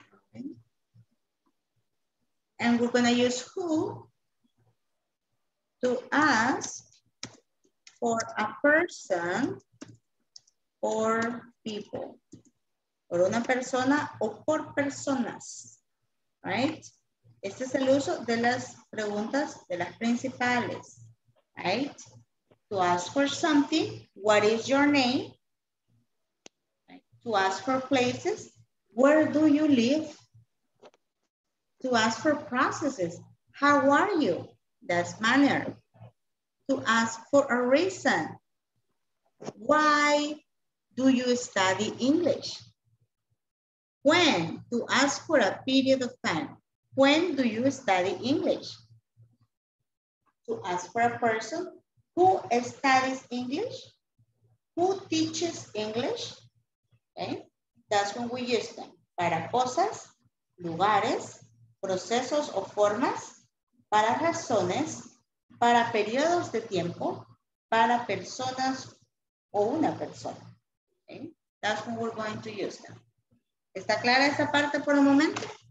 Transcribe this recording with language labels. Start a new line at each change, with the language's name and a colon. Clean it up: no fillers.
English: Okay. And we're going to use who to ask for a person or people.
Spanish: Por una persona o por personas, right? Este es el uso de las preguntas, de las principales, right?
English: To ask for something, what is your name? Right? To ask for places, where do you live? To ask for processes, how are you? That's manner. To ask for a reason, why do you study English? When, to ask for a period of time. When do you study English? To ask for a person who studies English, who teaches English, Okay? That's when we use them.
Spanish: Para cosas, lugares, procesos o formas, para razones, para periodos de tiempo, para personas o una persona. Okay?
English: That's when we're going to use them.
Spanish: ¿Está clara esa parte por el momento?